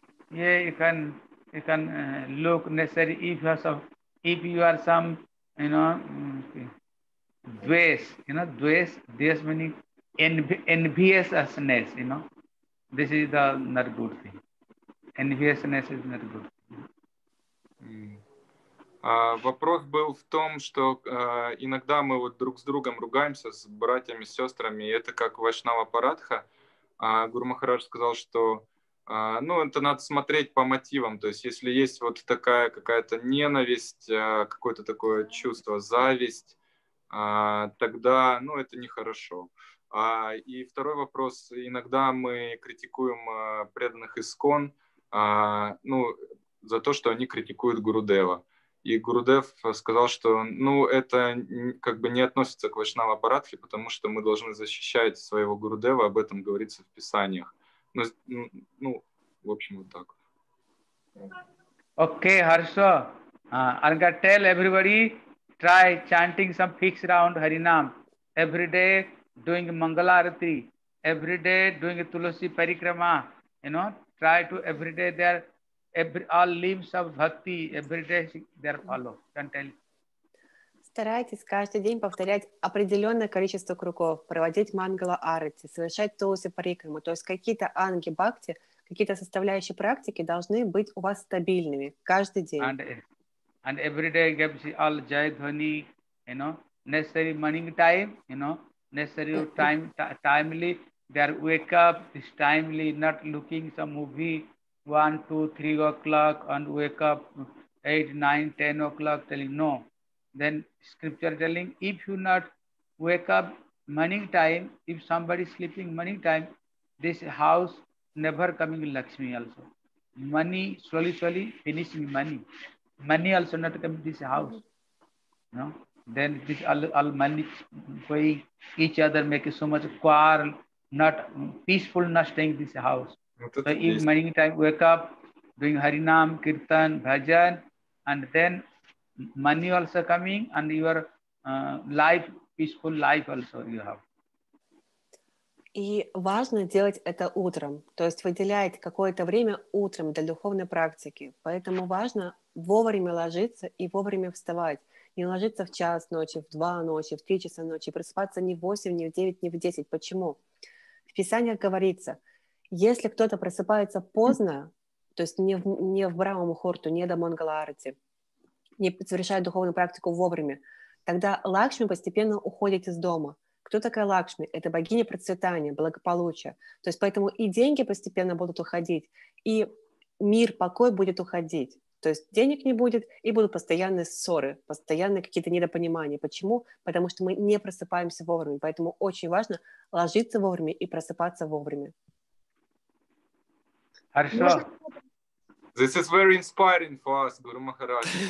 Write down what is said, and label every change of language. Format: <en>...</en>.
<en>Yeah, you can look necessary if you are some, you know, dvesh meaning enviousness, you know, this is the not good thing. Enviousness is not good.</en> <ru>Вопрос был в том, что иногда мы вот друг с другом ругаемся, с братьями, с сестрами, и это как Вайшнава Парадха. Гуру Махарадж сказал, что ну, это надо смотреть по мотивам. То есть если есть вот такая какая-то ненависть, какое-то такое чувство, зависть, тогда ну, это нехорошо. И второй вопрос. Иногда мы критикуем преданных ИСККОН ну, за то, что они критикуют Гурудева. И Гурудев сказал, что ну, это как бы не относится к Вайшнава Парадхе, потому что мы должны защищать своего Гурудева, об этом говорится в Писаниях. Ну, ну в общем, вот так.</ru> <en>Okay,</en> <ru>хорошо.</ru> <en>I'm going to tell everybody, try chanting some fixed round Harinam. Every day doing Mangala Arati. Every day doing Tulasi Parikrama. You know, try to every day there. All limbs of bhakti, every day they are followed. Can tell.</en> <ru>Старайтесь каждый день повторять определенное количество кругов, проводить мангала арати, совершать тулуси парикраму. То есть какие-то анги бхакти, какие-то составляющие практики должны быть у вас стабильными каждый день.</ru> <en>And every day give all jai dhani, you know, necessary morning time, you know, necessary time, timely. They are wake up this timely, not looking some movie. 1, 2, 3 o'clock and wake up 8, 9, 10 o'clock telling no. Then scripture telling if you not wake up morning time, if somebody sleeping morning time, this house never coming Lakshmi also. Money slowly, slowly finishing money. Money also not coming this house. No? Then this all money going, each other making so much quarrel, not peaceful, not staying this house. So in morning time, wake up, doing Harinam, Kirtan, Bhajan, and then money also coming, and your life, peaceful life also you have.</en> <ru>И важно делать это утром, то есть выделять какое-то время утром для духовной практики. Поэтому важно вовремя ложиться и вовремя вставать. Не ложиться в час ночи, в два ночи, в три часа ночи, просыпаться не в восемь, не в девять, не в десять. Почему? В Писаниях говорится, если кто-то просыпается поздно, то есть не в Брахма-мухурте, не до Мангала-арати, не совершает духовную практику вовремя, тогда Лакшми постепенно уходит из дома. Кто такая Лакшми? Это богиня процветания, благополучия. То есть поэтому и деньги постепенно будут уходить, и мир, покой будет уходить. То есть денег не будет, и будут постоянные ссоры, постоянные какие-то недопонимания. Почему? Потому что мы не просыпаемся вовремя. Поэтому очень важно ложиться вовремя и просыпаться вовремя. Хорошо.</ru> <en>This is very inspiring for us, Guru Maharaj.</en>